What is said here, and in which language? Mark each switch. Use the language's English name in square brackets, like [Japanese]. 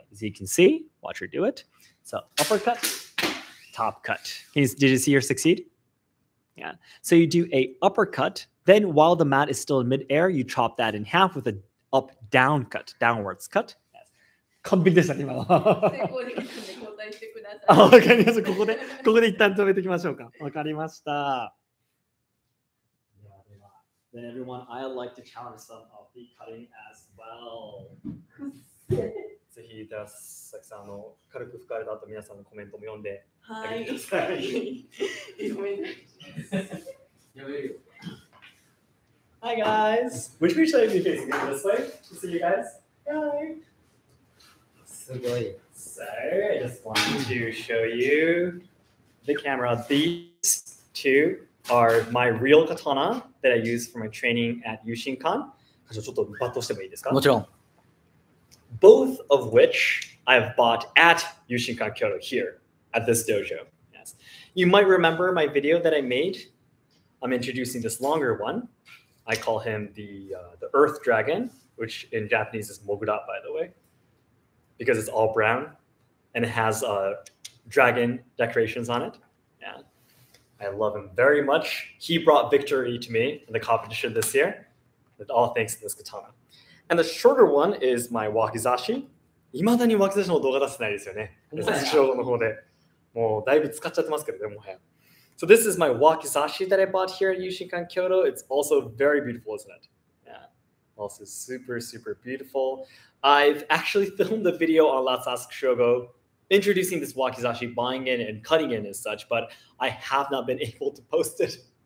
[English] As you can see, watch her do it. So, uppercut, top cut. Did you see her succeed? Yeah. So you do a uppercut. Then while the mat is still in mid-air, you chop that in half with an up-down cut, downwards cut. Yes. [Japanese] 完璧でした、今は。成功できるんで交代してください。わかります。ここで一旦止めていきましょうか。わかりました。 [English] Then everyone, I'd like to challenge some of the cutting as well. [Japanese] ぜひ、では、さきさんの軽く吹かれた後、皆さんのコメントも読んで、はい、あげてください。はい。読めない。やめるよ。 [English] Hi guys! Which way should I be facing? This way? To see you guys? Hi! [Japanese] すごい。 [English] So, I just wanted to show you the camera. These two are my real katana that I use for my training at Yushinkan. [Japanese] ちょっと抜刀してもいいですか? もちろん。 [English] Both of which I've bought at Yushinkan Kyoto here, at this dojo. Yes. You might remember my video that I made. I'm introducing this longer one. I call him the Earth Dragon, which in Japanese is Mogura, by the way, because it's all brown and it has dragon decorations on it. Yeah, I love him very much. He brought victory to me in the competition this year, with all thanks to this katana. And the shorter one is my wakizashi. [Japanese] いまだにわきざしの動画出せないですよね。 [English] Yeah. [Japanese] ショーゴの方でもうだいぶ使っちゃってますけどね、もはや。 [English] So this is my wakizashi that I bought here in Yushinkan Kyoto. It's also very beautiful, isn't it? Yeah. Also super, super beautiful. I've actually filmed a video on Let's Ask Shogo introducing this wakizashi, buying it and cutting it and such, but I have not been able to post it.